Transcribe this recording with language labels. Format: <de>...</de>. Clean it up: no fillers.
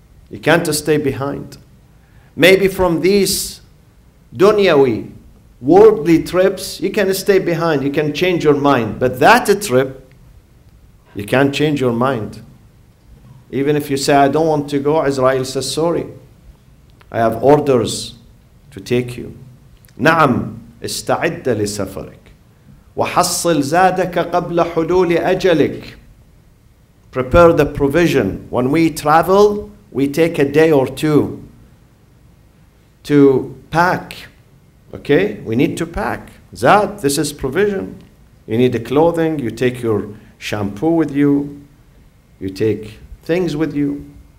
<en>You can't stay behind. Maybe from these dunyawi, worldly trips, you can stay behind, you can change your mind. But that trip, you can't change your mind. Even if you say, I don't want to go, Israel says, sorry, I have orders to take you.</en> <ar>نعم استعد لسفرك وَحَصِّلْ زَادَكَ قَبْلَ حُلُولِ أَجَلِكَ,</ar> <en>prepare the provision. When we travel, we take a day or two to pack. Okay? We need to pack. Zad, this is provision. You need the clothing. You take your shampoo with you. You take things with you.</en>